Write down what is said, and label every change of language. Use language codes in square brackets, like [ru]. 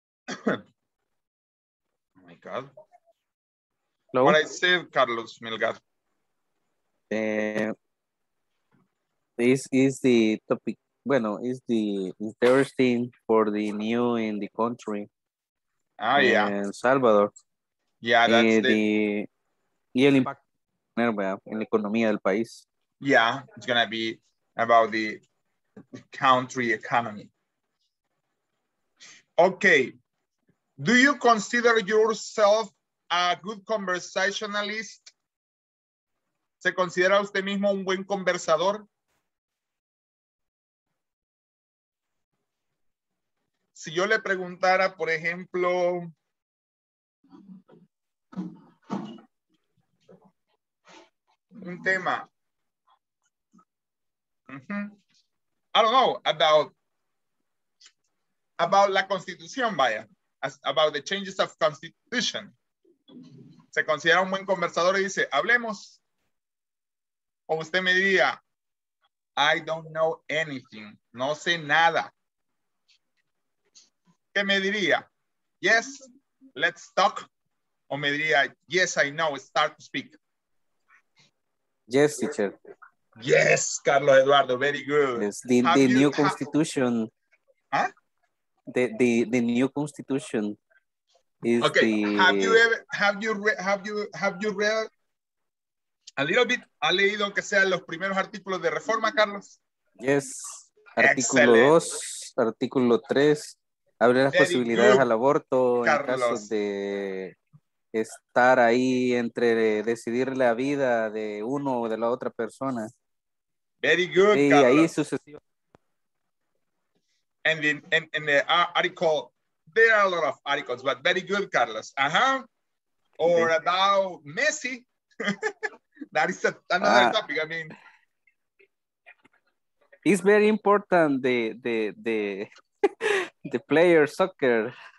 [en] Oh my Melgar. Hello? What I said, Carlos Melgar. This is the topic. Bueno, is the interesting for the new in the country. Ah, in yeah. El Salvador. Yeah, that's the... [es] Y el impacto en la economía del país. [en] Yeah, it's going to be about the country economy. Okay. Do you consider yourself a good conversationalist? [es] ¿Se considera usted mismo un buen conversador? Si yo le preguntara, por ejemplo, un tema. [en] I don't know about [es] la constitución, vaya. [en] About the changes of constitution. [es] ¿Se considera un buen conversador? Y dice, hablemos. O usted me diría, [en] I don't know anything. [es] No sé nada. ¿Qué me diría? [en] Yes, let's talk. [es] O me diría, [en] yes, I know, start to speak. Yes, teacher. Yes, Carlos Eduardo, very good. Yes, the new constitution. The new constitution is okay. The... Have you read a little bit? [es] ¿Ha leído aunque sean los primeros artículos de reforma, Carlos? Yes. Artículo 2, artículo 3. Abre las posibilidades al aborto, Carlos. En caso de estar ahí entre decidir la vida de uno o de la otra persona. [en] Very good, [es] y [en] Carlos. [es] Ahí sucesivo. [en] And in the article, there are a lot of articles, but very good, Carlos. Uh-huh. Or about Messi. That is another topic, I mean. It's very important, the player soccer.